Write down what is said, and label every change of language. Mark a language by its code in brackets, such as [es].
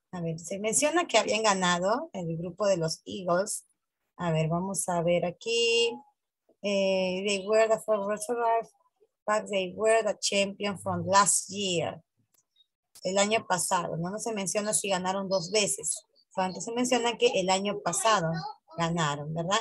[es] A ver, se menciona que habían ganado el grupo de los Eagles. A ver, vamos a ver aquí. [en] They were the first survivor, but they were the champion from last year. [es] El año pasado. No se menciona si ganaron dos veces. Solamente se menciona que el año pasado ganaron, ¿verdad?